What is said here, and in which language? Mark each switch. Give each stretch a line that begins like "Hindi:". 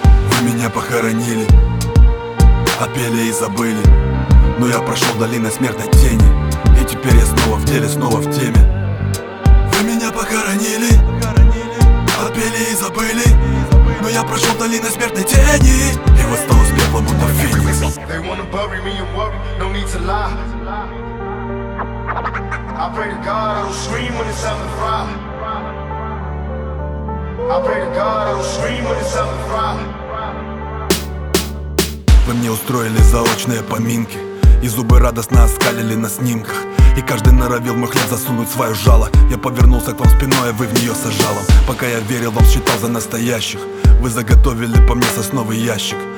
Russian: Вы меня похоронили, отпели и забыли. Но я прошел долиной смертной тени, и теперь я снова в деле, снова в теме. Вы меня похоронили, отпели и забыли. Но я прошел долиной смертной тени, и восстал из пепла, будто феникс.
English: They wanna bury me in work, no need to lie. I pray to God I don't scream when it's time to cry. I pray to God I don't scream when it's time to cry.
Russian: Вы мне устроили заочные поминки, и зубы радостно оскалили на снимках. И каждый норовил мой хлеб засунуть свое жало. Я повернулся к вам спиной, а вы в нее с ожалом. Пока я верил вам, считал за настоящих. Вы заготовили по мне сосновый ящик.